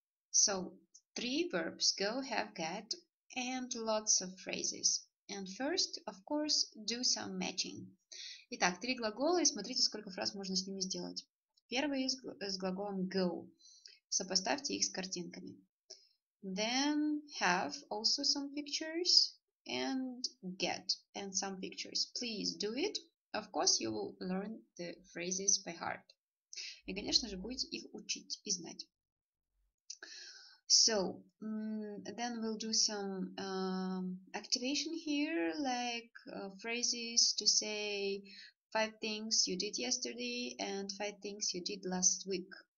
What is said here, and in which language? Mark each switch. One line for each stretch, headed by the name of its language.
English: So, 3 verbs, go, have, get, and lots of phrases. And first, of course, do some matching.
Russian: Итак, 3 глагола и смотрите, сколько фраз можно с ними сделать. Первый с глаголом go. Сопоставьте их с картинками.
English: Then have also some pictures and get and some pictures. Please do it. Of course, you will learn the phrases by heart.
Russian: И, конечно же, будете их учить и знать.
English: So, then we'll do some activation here, like phrases to say 5 things you did yesterday and 5 things you did last week.